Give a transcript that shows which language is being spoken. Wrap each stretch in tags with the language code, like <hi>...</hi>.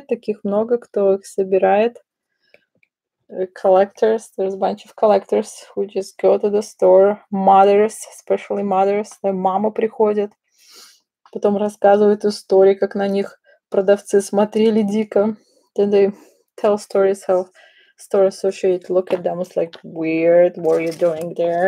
<ru>Таких много, кто их собирает.</ru> <en>Collectors. There's a bunch of collectors who just go to the store. Mothers, especially mothers.</en> <ru>Мама приходит. Потом рассказывает истории, как на них продавцы смотрели дико.</ru> <en>Then they tell stories how store associate look at them was like, weird, what are you doing there?</en>